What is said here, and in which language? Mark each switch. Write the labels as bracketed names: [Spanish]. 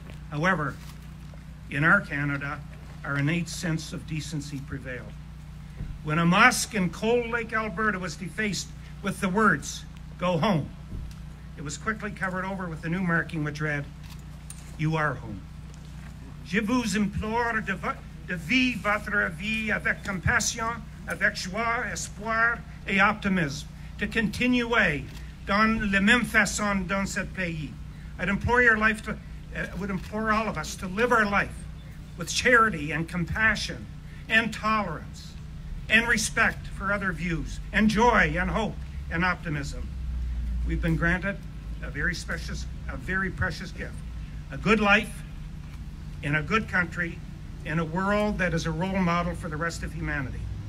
[English] However, in our Canada, our innate sense of decency prevailed. When a mosque in Cold Lake, Alberta was defaced with the words, "Go home," it was quickly covered over with a new marking which read, "You are home." [French] Je vous implore de vivre votre vie avec compassion, avec joie, espoir et optimisme, [English] to continue [French] dans la même façon dans ce pays. [English] I would implore all of us to live our life with charity and compassion and tolerance and respect for other views, and joy, and hope, and optimism. We've been granted a very precious gift, a good life in a good country, in a world that is a role model for the rest of humanity.